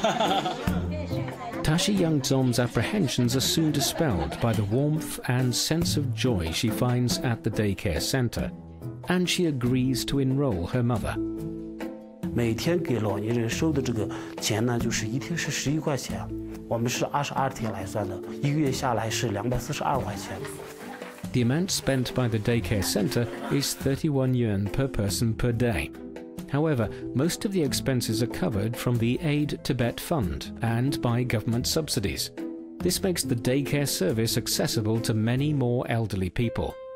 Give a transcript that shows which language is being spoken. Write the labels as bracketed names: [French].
[English] Tashi Yang Zom's apprehensions are soon dispelled by the warmth and sense of joy she finds at the daycare center, and she agrees to enroll her mother. [Chinese] 每天给老年人收的这个钱呢，就是一天是11块钱，我们是22天来算的，一个月下来是242块钱。 [English] The amount spent by the daycare center is 31 yuan per person per day. However, most of the expenses are covered from the Aid Tibet Fund and by government subsidies. This makes the daycare service accessible to many more elderly people.